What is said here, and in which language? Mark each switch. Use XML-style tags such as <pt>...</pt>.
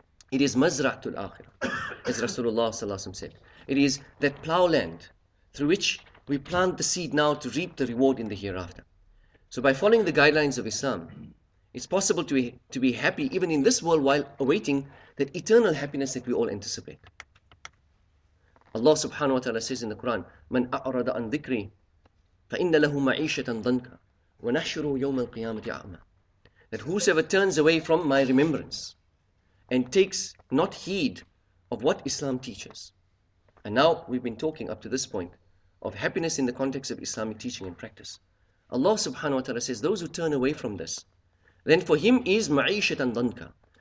<en>It is mazra'atul akhirah, as Rasulullah sallallahu alaihi wasallam said. It is that plow land through which we plant the seed now to reap the reward in the hereafter. So by following the guidelines of Islam, it's possible to be happy even in this world while awaiting that eternal happiness that we all anticipate. Allah subhanahu wa ta'ala says in the Quran,</en> <ar>مَنْ أَعْرَضَ عَنْ ذِكْرِي فَإِنَّ لَهُ مَعِيشَةً ضَنْكًا وَنَحْشُرُ يَوْمَ الْقِيَامَةِ أَعْمَى.</ar> <en>That whosoever turns away from my remembrance and takes not heed of what Islam teaches. And now we've been talking up to this point of happiness in the context of Islamic teaching and practice. Allah subhanahu wa ta'ala says, those who turn away from this, then for him is</en> <ar>مَعِيشَةً ضَنْكًا.</ar>